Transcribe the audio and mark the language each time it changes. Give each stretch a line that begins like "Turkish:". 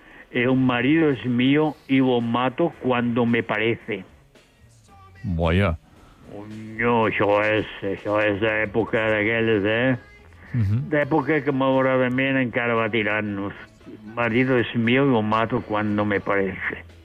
Spanish: El marido es mío y lo mato cuando me parece. Vaya.
Catalan: No, això és d'època d'aquelles, eh? Uh-huh. D'època que malauradament encara va tirant-nos.
Spanish: Marido es mío y lo mato cuando me parece.